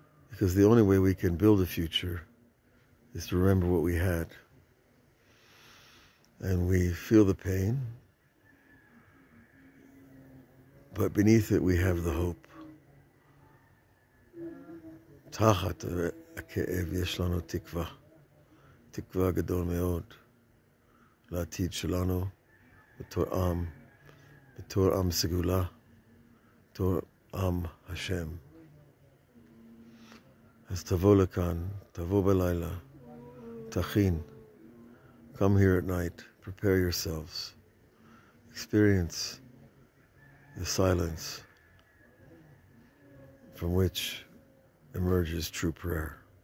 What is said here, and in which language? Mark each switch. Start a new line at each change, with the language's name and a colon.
English: Because the only way we can build a future is to remember what we had. And we feel the pain, but beneath it we have the hope.
Hebrew: Tachat
English: of it.
Hebrew: הכאב יש לנו תקווה, תקווה גדול מאוד לעתיד שלנו בתור עם סגולה, בתור עם השם. אז תבוא לכאן, תבוא בלילה, תכין.
English: Come here at night, prepare yourselves. Experience the silence from which emerges true prayer.